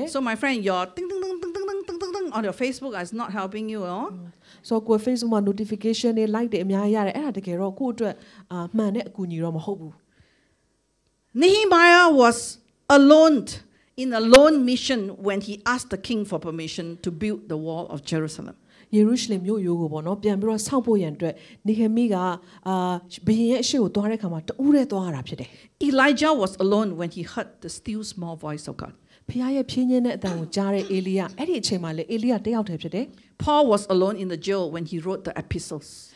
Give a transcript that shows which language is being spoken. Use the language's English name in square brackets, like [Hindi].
[English] So my friend your ting ting ting ting ting ting ting ting ting on your Facebook is not helping you oh [Burmese] So ကို Facebook မှာ notification တွေ like တွေအများကြီးရတယ်အဲ့ဒါတကယ်တော့ကို့အတွက်မှန်တဲ့အကူအညီတော့မဟုတ်ဘူး [English] Nehemiah was alone in a lone mission when he asked the king for permission to build the wall of Jerusalem [Burmese] Jerusalem မြို့ရိုးကိုပေါ့နော်ပြန်ပြီးတော့စောင့်ဖို့ရန်အတွက်နေဟမိကဘုရင်ရဲ့အရှိကိုသွားတဲ့အခါမှာတဦးတည်းသွားရတာဖြစ်တယ် [English] Elijah was alone when he heard the still small voice of God [Burmese] ဖခင်ရဲ့ဖြင်းခြင်းတဲ့အတန်ကိုကြားတဲ့ Elijah အဲ့ဒီအချိန်မှာလေ Elijah တယောက်တည်းဖြစ်တယ် [English] Paul was alone in the jail when he wrote the epistles